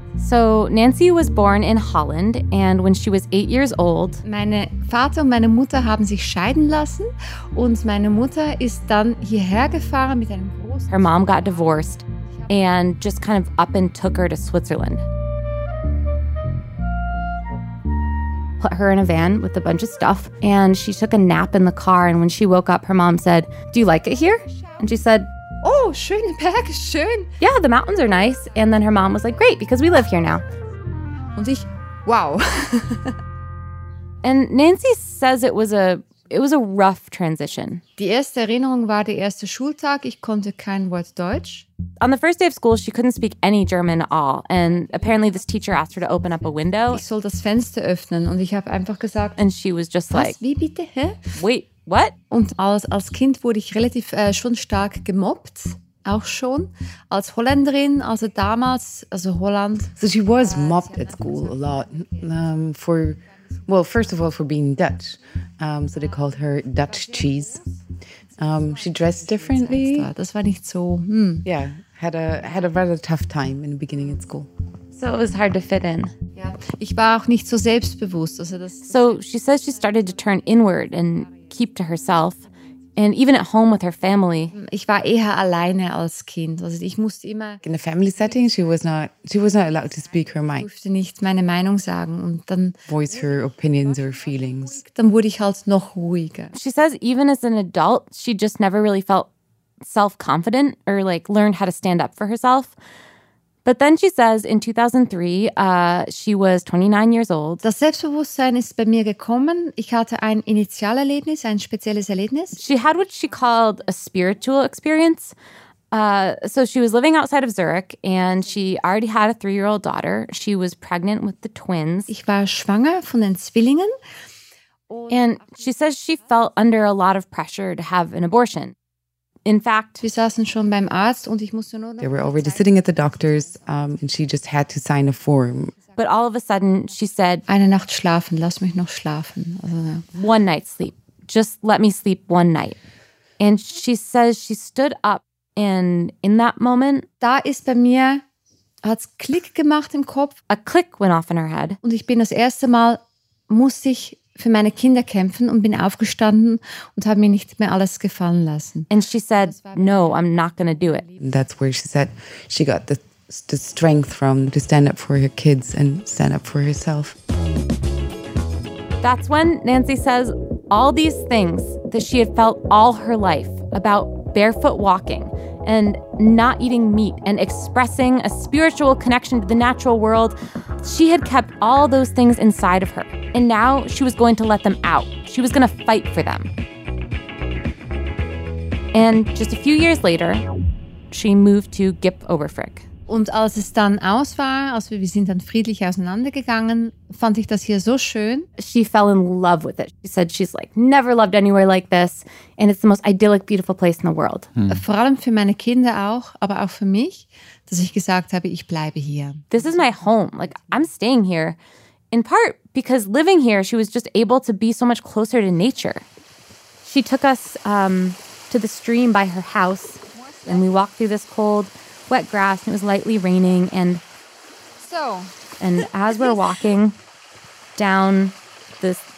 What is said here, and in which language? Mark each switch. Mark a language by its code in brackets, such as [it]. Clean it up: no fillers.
[en] So Nancy was born in Holland, and when she was 8 years old, [de] meine Vater und meine Mutter haben sich scheiden lassen, und meine Mutter ist dann hierher gefahren mit einem großen. [en] Her mom got divorced, and just kind of up and took her to Switzerland. Put her in a van with a bunch of stuff, and she took a nap in the car. And when she woke up, her mom said, "Do you like it here?" And she said, [de] "Oh, schön, Berg, schön." [en] Yeah, the mountains are nice. And then her mom was like, "Great, because we live here now." [de] Und ich, wow. [en] And Nancy says it was a rough transition. [de] Die erste Erinnerung war der erste Schultag. Ich konnte kein Wort Deutsch. [en] On the first day of school, she couldn't speak any German at all. And apparently this teacher asked her to open up a window. [de] Ich soll das Fenster öffnen. Und ich habe einfach gesagt. [en] And she was just like, [de] "Wie bitte, hä? [en] Wait. What?" [de] Und als Kind wurde ich relativ schon stark gemobbt, auch schon. Als Holländerin, also damals, also Holland. [en] So she was mobbed at school a lot. For, well, first of all, for being Dutch. So they called her Dutch cheese. She dressed differently. [de] Das war nicht so, [en] Yeah, had a rather tough time in the beginning at school. So it was hard to fit in. Yeah. [de] Ich war auch nicht so selbstbewusst. Also das, [en] so she says she started to turn inward and keep to herself, and even at home with her family. [de] Ich war eher alleine als Kind. Also ich musste immer. [en] In a family setting, she was not allowed to speak her mind. [de] Durfte nicht meine Meinung sagen und dann. [en] Voice her opinions or feelings. [de] Dann wurde ich halt noch ruhiger. [en] She says even as an adult, she just never really felt self-confident or like learned how to stand up for herself. But then she says in 2003, she was 29 years old. [de] Das Selbstbewusstsein ist bei mir gekommen. Ich hatte ein Initialerlebnis, ein spezielles Erlebnis. [en] She had what she called a spiritual experience. So she was living outside of Zurich and she already had a 3-year-old daughter. She was pregnant with the twins. [de] Ich war schwanger von den Zwillingen. [en] And she says she felt under a lot of pressure to have an abortion. In fact, [de] wir saßen schon beim Arzt und ich musste nur. [en] They were already sitting at the doctor's, and she just had to sign a form. But all of a sudden, she said, [de] "Eine Nacht schlafen, lass mich noch schlafen." [en] One night sleep, just let me sleep one night. And she says she stood up, and in that moment, [de] da ist bei mir, hat's Klick gemacht im Kopf. [en] A click went off in her head. [de] Und ich bin das erste Mal muss ich für meine Kinder kämpfen und bin aufgestanden und habe mir nicht mehr alles gefallen lassen. [en] And she said, "No, I'm not going to do it." That's where she said she got the strength from to stand up for her kids and stand up for herself. That's when Nancy says all these things that she had felt all her life about barefoot walking and not eating meat and expressing a spiritual connection to the natural world. She had kept all those things inside of her. And now she was going to let them out. She was going to fight for them. And just a few years later, she moved to Gip Oberfrick. [de] Und als es dann aus war, als wir sind dann friedlich auseinandergegangen, fand ich das hier so schön. [en] She fell in love with it. She said she's like never loved anywhere like this. And it's the most idyllic, beautiful place in the world. Hmm. [de] Vor allem für meine Kinder auch, aber auch für mich, dass ich gesagt habe, ich bleibe hier. [en] This is my home. Like, I'm staying here. In part because living here, she was just able to be so much closer to nature. She took us to the stream by her house. And we walked through this cold, wet grass. And it was lightly raining. And so, and as we're walking down this